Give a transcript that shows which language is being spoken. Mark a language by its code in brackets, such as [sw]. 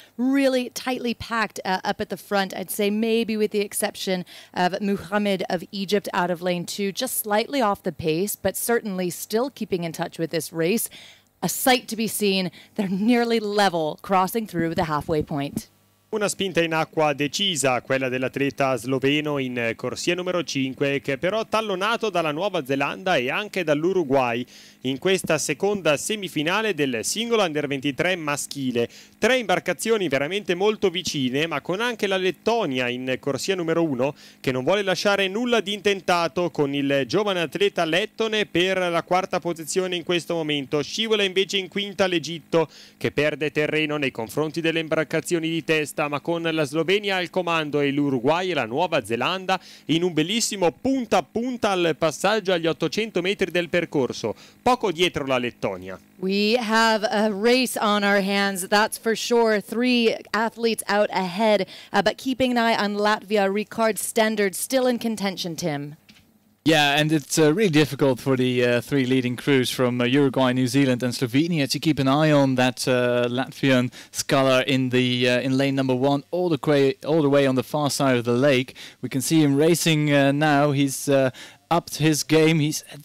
[en] Really tightly packed up at the front, I'd say maybe with the exception of Muhammad of Egypt out of lane two, just slightly off the pace, but certainly still keeping in touch with this race. A sight to be seen. They're nearly level crossing through the halfway point. [it] Una spinta in acqua decisa, quella dell'atleta sloveno in corsia numero 5, che però tallonato dalla Nuova Zelanda e anche dall'Uruguay in questa seconda semifinale del singolo Under 23 maschile. Tre imbarcazioni veramente molto vicine, ma con anche la Lettonia in corsia numero 1, che non vuole lasciare nulla di intentato con il giovane atleta lettone per la quarta posizione in questo momento. Scivola invece in quinta l'Egitto, che perde terreno nei confronti delle imbarcazioni di testa, ma con la Slovenia al comando e l'Uruguay e la Nuova Zelanda in un bellissimo punta a punta al passaggio agli 800 metri del percorso, poco dietro la Lettonia. [en] We have a race on our hands, that's for sure. Three athletes out ahead, but keeping an eye on Latvia, Rikard Stendard still in contention, Tim. Yeah, and it's really difficult for the three leading crews from Uruguay, New Zealand and Slovenia to keep an eye on that Latvian sculler in lane number one, all the way on the far side of the lake. We can see him racing now. He's upped his game. He's